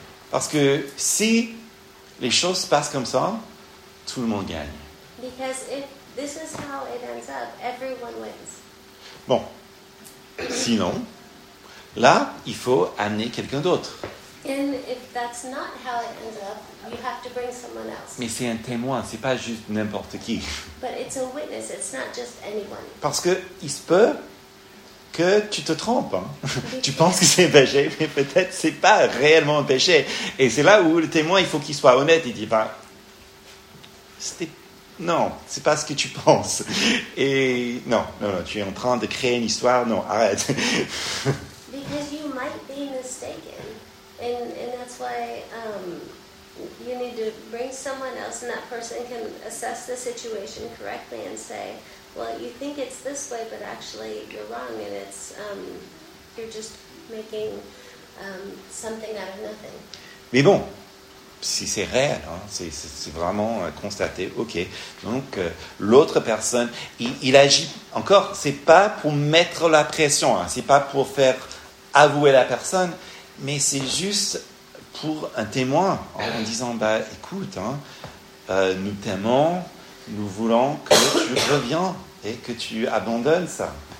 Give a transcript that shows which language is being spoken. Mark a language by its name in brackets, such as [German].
[French] Parce que si les choses se passent comme ça, tout le monde gagne. [English] Because if this is how it ends up, everyone wins. [French] Bon, sinon, là, il faut amener quelqu'un d'autre. [English] And if that's not how it ends up, you have to bring someone else. [French] Mais c'est un témoin, c'est pas juste n'importe qui. [English] But it's a witness, it's not just anyone. [French] Parce que il se peut que tu te trompes. Hein. Tu penses que c'est un péché, mais peut-être c'est pas réellement un péché. Et c'est là où le témoin, il faut qu'il soit honnête. Il dit, ben, non, c'est pas ce que tu penses. Et non, tu es en train de créer une histoire. Non, arrête. [English] Because you might be mistaken. And that's why you need to bring someone else, and that person can assess the situation correctly and say, well, you think it's this way, but actually you're wrong, and it's you're just making something out of nothing. [French] Mais bon, si c'est réel, hein, c'est vraiment constaté, ok. Donc, l'autre personne, il agit encore. C'est pas pour mettre la pression, hein, c'est pas pour faire avouer la personne, mais c'est juste pour un témoin en disant, bah, écoute, hein, nous t'aimons, nous voulons que tu reviennes et que tu abandonnes ça.